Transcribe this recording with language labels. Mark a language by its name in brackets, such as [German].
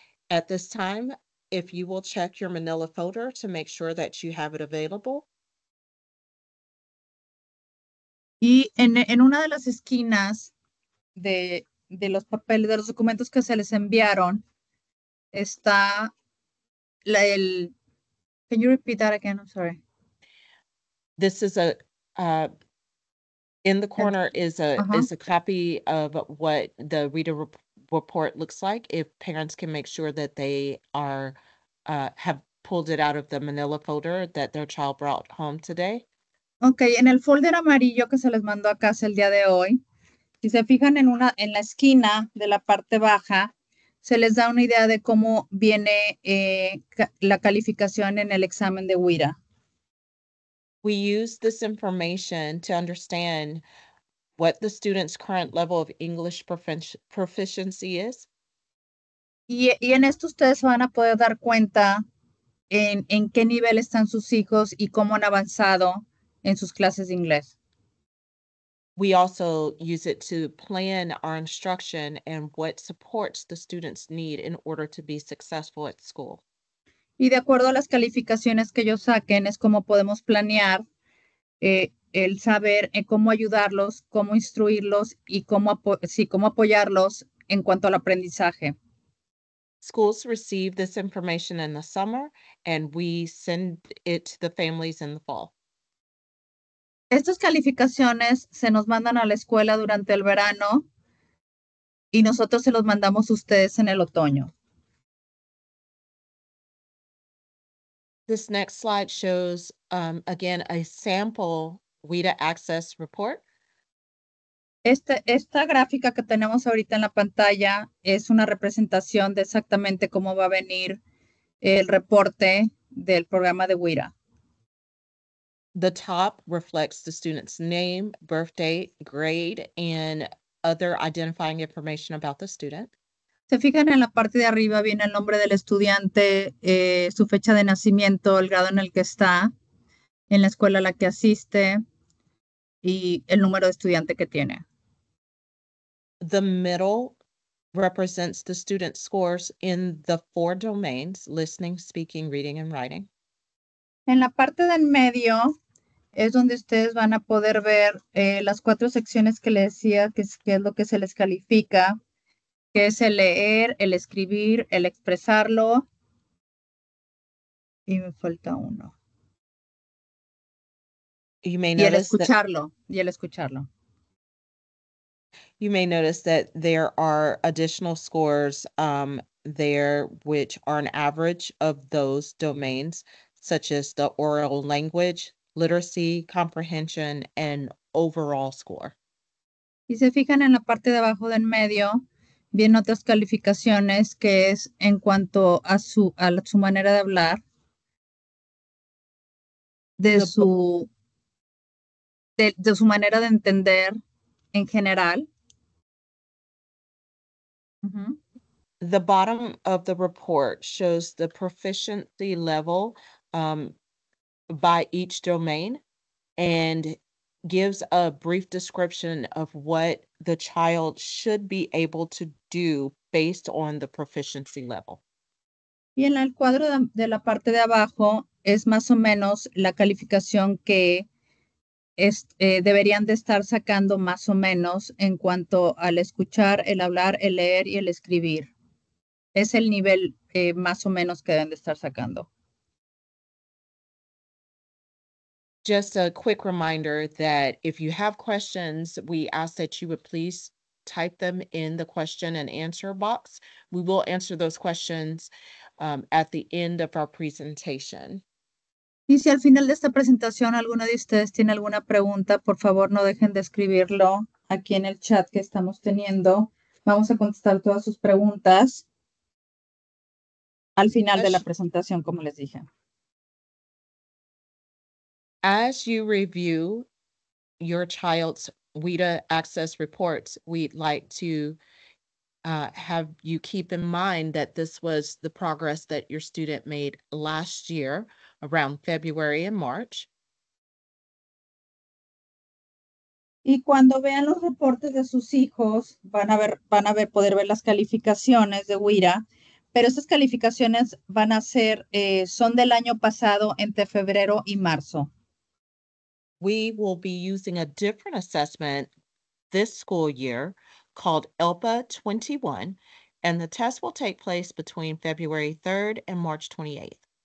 [English] At this time, if you will check your Manila folder to make sure that you have it available. [Spanish] Y en una de las esquinas de los papeles, de los documentos que se les enviaron, está el... [English] Can you repeat that again? I'm sorry. This is a... In the corner is a is a copy of what the WIDA report looks like. If parents can make sure that they have pulled it out of the manila folder that their child brought home today. [Spanish] Okay, en el folder amarillo que se les mandó a casa el día de hoy, si se fijan en una en la esquina de la parte baja, se les da una idea de cómo viene la calificación en el examen de WIRA. [English] We use this information to understand what the student's current level of English proficiency is. [Spanish] Y en esto ustedes van a poder dar cuenta en qué nivel están sus hijos y cómo han avanzado en sus clases de inglés. [English] We also use it to plan our instruction and what supports the students need in order to be successful at school. [Spanish] Y de acuerdo a las calificaciones que ellos saquen, es como podemos planear el saber cómo ayudarlos, cómo instruirlos y cómo apoyarlos en cuanto al aprendizaje. [English] Schools receive this information in the summer and we send it to the families in the fall. [Spanish] Estas calificaciones se nos mandan a la escuela durante el verano y nosotros se los mandamos a ustedes en el otoño. [English] This next slide shows, again, a sample WIDA Access report. [Spanish] Esta gráfica que tenemos ahorita en la pantalla es una representación de exactamente cómo va a venir el reporte del programa de WIDA. [English] The top reflects the student's name, birth date, grade, and other identifying information about the student. [Spanish] Se fijan en la parte de arriba viene el nombre del estudiante, su fecha de nacimiento, el grado en el que está, en la escuela a la que asiste y el número de estudiante que tiene. [English] The middle represents the student's scores in the four domains, listening, speaking, reading, and writing. [Spanish] En la parte del medio es donde ustedes van a poder ver las cuatro secciones que les decía, que es lo que se les califica. Que es el leer, el escribir, el expresarlo. Y me falta uno. [English] You may notice [Spanish] y el escucharlo. That, y el escucharlo. [English] You may notice that there are additional scores there which are an average of those domains, such as the oral language, literacy, comprehension, and overall score. [Spanish] Y se fijan en la parte de abajo del medio. Bien, otras calificaciones que es en cuanto a su manera de hablar, de su manera de entender en general. [English] The bottom of the report shows the proficiency level by each domain and gives a brief description of what the child should be able to do based on the proficiency level. [Spanish] Y en el cuadro de la parte de abajo es más o menos la calificación que es, deberían de estar sacando más o menos en cuanto al escuchar, el hablar, el leer y el escribir. Es el nivel más o menos que deben de estar sacando. [English] Just a quick reminder that if you have questions, we ask that you would please type them in the question and answer box. We will answer those questions at the end of our presentation. [Spanish] Y si al final de esta presentación alguno de ustedes tiene alguna pregunta, por favor no dejen de escribirlo aquí en el chat que estamos teniendo. Vamos a contestar todas sus preguntas al final de la presentación, como les dije. [English] As you review your child's WIDA access reports, we'd like to have you keep in mind that this was the progress that your student made last year around February and March. [Spanish] Y cuando vean los reportes de sus hijos, van a poder ver las calificaciones de WIDA, pero esas calificaciones van a ser, son del año pasado entre febrero y marzo. [English] We will be using a different assessment this school year called ELPA 21, and the test will take place between February 3rd and March 28th.